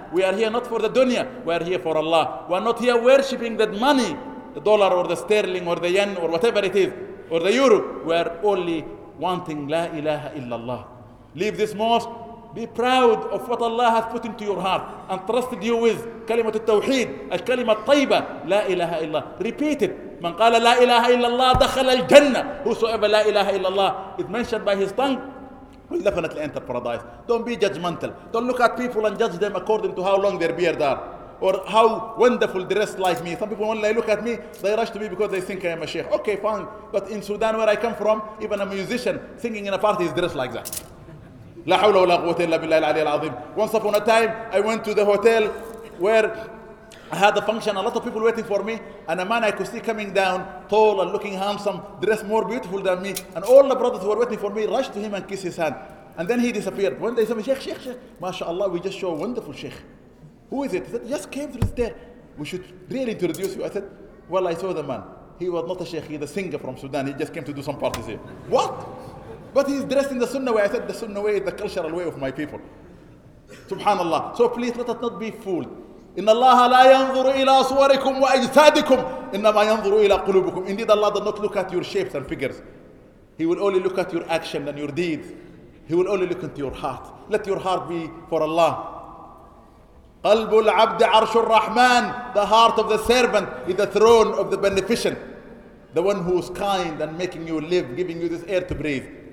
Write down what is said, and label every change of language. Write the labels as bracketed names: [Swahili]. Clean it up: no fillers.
[English] We are here not for the dunya, we are here for Allah. We are not here worshipping that money, the dollar or the sterling or the yen or whatever it is, or the euro. We are only wanting La ilaha illallah. Leave this mosque, be proud of what Allah has put into your heart and trusted you with. Kalimat al-Tawheed, al-Kalimat al-Tayba, La ilaha illallah. Repeat it. [Arabic] من قال لا إله إلا الله دخل الجنة. [English] Whosoever [Arabic] لا إله إلا الله [English] is mentioned by his tongue, will definitely enter paradise. Don't be judgmental. Don't look at people and judge them according to how long their beard are, or how wonderful dressed like me. Some people when they look at me, they rush to me because they think I am a sheikh. Okay, fine. But in Sudan where I come from, even a musician singing in a party is dressed like that. [Arabic] لا حول ولا قوة إلا بالله العلي العظيم. [English] Once upon a time, I went to the hotel where I had a function, a lot of people waiting for me, and a man I could see coming down, tall and looking handsome, dressed more beautiful than me, and all the brothers who were waiting for me rushed to him and kissed his hand. And then he disappeared. One day he said, Sheikh, Sheikh, Sheikh, MashaAllah, we just show a wonderful Sheikh. Who is it? He said, just came through the stair. We should really introduce you. I said, well, I saw the man. He was not a Sheikh, he's a singer from Sudan. He just came to do some parties here. What? But he's dressed in the Sunnah way. I said, the Sunnah way is the cultural way of my people. SubhanAllah. So please let us not be fooled. [Arabic] إن الله لا ينظر إلى صوركم وأجسادكم إنما ينظر إلى قلوبكم. [English] Indeed, Allah does not look at your shapes and figures. He will only look at your action and your deeds. He will only look into your heart. Let your heart be for Allah. [Arabic] قلب العبد عرش الرحمن. [English] The heart of the servant is the throne of the beneficent, the one who is kind and making you live, giving you this air to breathe.